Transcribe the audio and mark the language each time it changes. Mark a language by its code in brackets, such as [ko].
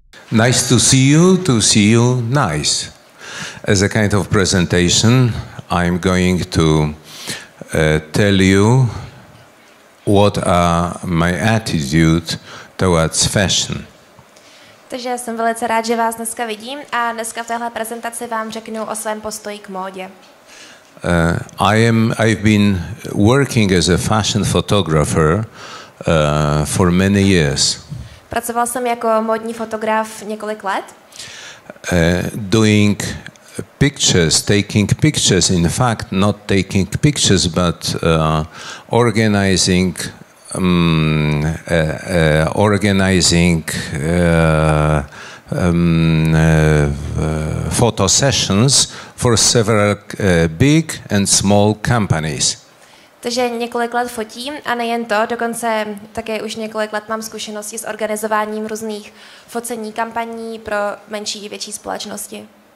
[en] Nice to see you, to see you nice. As a kind of presentation, I'm going to tell you what are my attitude towards fashion. [cs] Takže já jsem velice rád, že vás dneska vidím a dneska v téhle prezentaci vám řeknu o svém postoji k módě. [en] I've been working as a fashion photographer for many years. [cs] Pracoval jsem jako módní fotograf několik let. [en] Doing pictures, taking pictures, in fact, not taking pictures, but organizing photo sessions for several big and small companies. [cs] Takže několik let fotím a nejen to, dokonce také už několik let mám zkušenosti s organizováním různých focení kampaní pro menší i větší společnosti.